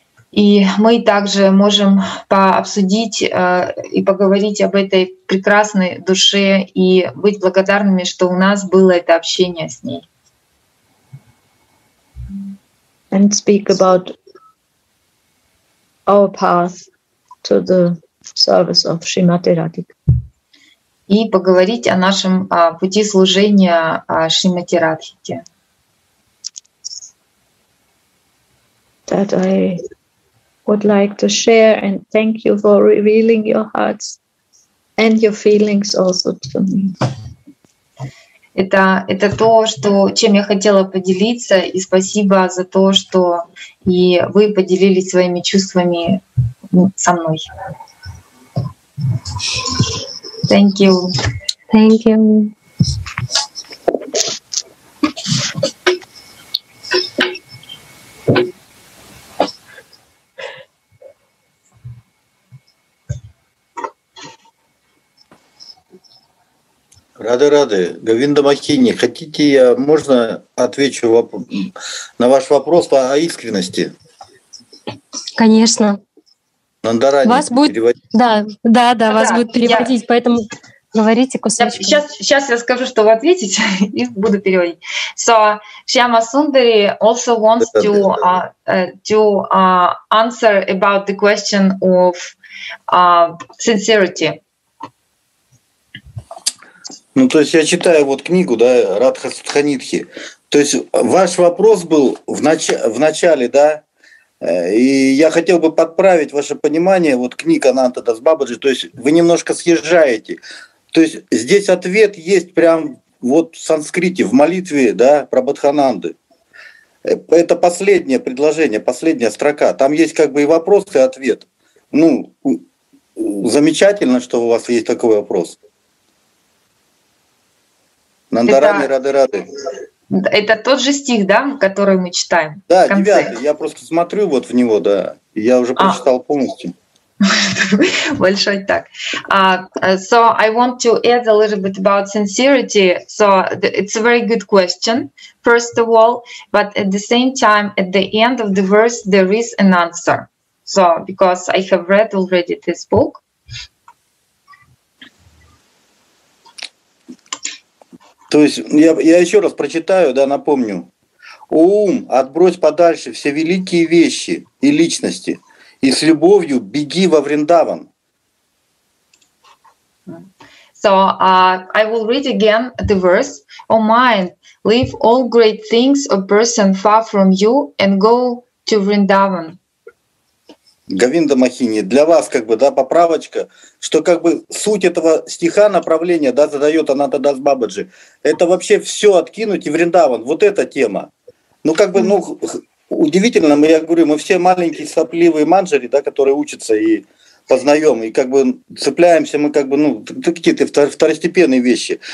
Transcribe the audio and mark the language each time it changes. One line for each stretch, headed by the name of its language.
Russian: И мы также можем пообсудить и поговорить об этой прекрасной душе и быть благодарными, что у нас было это общение с ней.
English: And speak about our path to the service of Shrimati Radhika.
Russian: И поговорить о нашем пути служения Шримати Радхике.
English: That I would like to share and thank you for revealing your hearts and your feelings also to me.
Russian: Это то, что, чем я хотела поделиться, и спасибо за то, что и вы поделились своими чувствами со мной.
English: Thank you. Thank you.
Russian: Рады, рады. Говинда Махини, хотите, я можно отвечу на ваш вопрос о искренности? Конечно. Нандарани, вас будет переводить. Да, вас будет переводить, поэтому говорите кусочек. Сейчас я скажу, чтобы ответить, и буду переводить.
English: So, Shyama Sundari also wants to answer about the question of sincerity.
Russian: Ну, то есть я читаю вот книгу, да, Радха Садханитхи. То есть ваш вопрос был в начале, да? И я хотел бы подправить ваше понимание, вот книга Ананта Дас Бабаджи, то есть вы немножко съезжаете. То есть здесь ответ есть прям вот в санскрите, в молитве, да, Прабодхананды. Это последнее предложение, последняя строка. Там есть как бы и вопрос, и ответ. Ну, замечательно, что у вас есть такой вопрос. Нандарами рады-рады. Это тот же стих, да, который мы читаем? Да, девятый. Я просто смотрю вот в него, да. Я уже прочитал полностью. Большой так.
English: So I want to add a little bit about sincerity. So it's a very good question, first of all. But at the same time, at the end of the verse, there is an answer. So because I have read already this book.
Russian: То есть я еще раз прочитаю, да, напомню. О ум, отбрось подальше все великие вещи и личности. И с любовью беги во Вриндаван.
English: So I will read again the verse. O mind, leave all great things or person far from you and go to Vrindavan.
Russian: Говинда Махини, для вас как бы, да, поправочка, что как бы суть этого стиха, направления, да, задает Ананта Дас Бабаджи, это вообще все откинуть и Вриндаван, вот эта тема. Ну как бы, ну удивительно, я говорю, мы все маленькие сопливые манджари, да, которые учатся и познаем, и как бы цепляемся мы как бы, ну, какие-то второстепенные вещи.